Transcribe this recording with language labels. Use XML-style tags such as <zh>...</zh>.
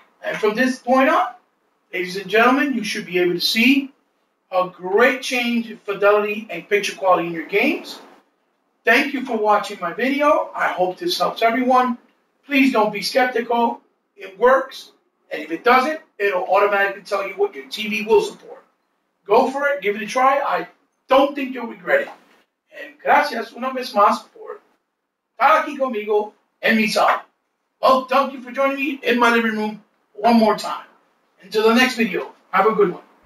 <en>And from this point on, ladies and gentlemen, you should be able to see a great change in fidelity and picture quality in your games. Thank you for watching my video. I hope this helps everyone. Please don't be skeptical. It works. And if it doesn't, it'll automatically tell you what your TV will support. Go for it. Give it a try. I don't think you'll regret it.</en> <es>And gracias una vez más por estar aquí conmigo en mi sala.</es> <en>Well, thank you for joining me in my living room one more time. Until the next video, have a good one.</en>